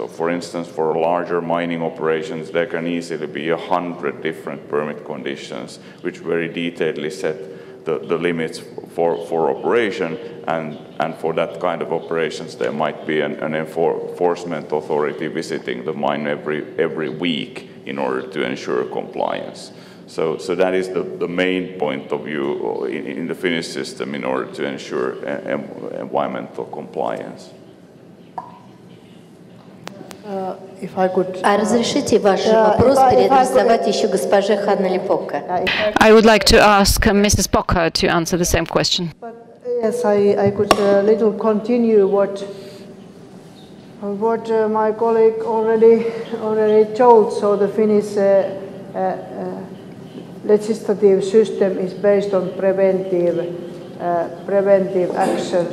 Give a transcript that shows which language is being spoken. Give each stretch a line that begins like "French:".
English: So for instance, for larger mining operations, there can easily be 100 different permit conditions, which very detailedly set the limits for operation, and for that kind of operations there might be an enforcement authority visiting the mine every week in order to ensure compliance. So that is the main point of view in the Finnish system in order to ensure environmental compliance. If I could,
Russian: разрешите ваш вопрос передавать еще госпоже Ханне Липокко.
English: I would like to ask Mrs. Pocca to answer the same question. But yes, I could a little continue what my colleague already told. So the Finnish legislative system is based on preventive action.